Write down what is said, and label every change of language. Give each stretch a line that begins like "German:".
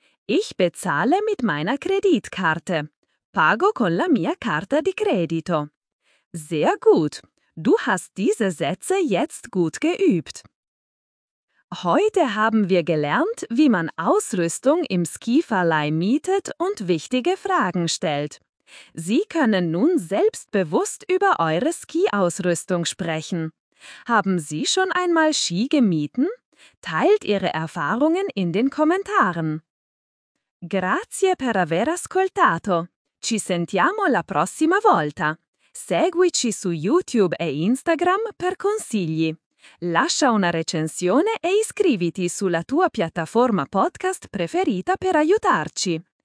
German: Ich bezahle mit meiner Kreditkarte.
Italian: Pago con la mia carta di credito.
German: Sehr gut. Du hast diese Sätze jetzt gut geübt. Heute haben wir gelernt, wie man Ausrüstung im Skiverleih mietet und wichtige Fragen stellt. Sie können nun selbstbewusst über eure Skiausrüstung sprechen. Haben Sie schon einmal Ski gemieten? Teilt Ihre Erfahrungen in den Kommentaren.
Italian: Grazie per aver ascoltato. Ci sentiamo la prossima volta. Seguici su YouTube e Instagram per consigli. Lascia una recensione e iscriviti sulla tua piattaforma podcast preferita per aiutarci.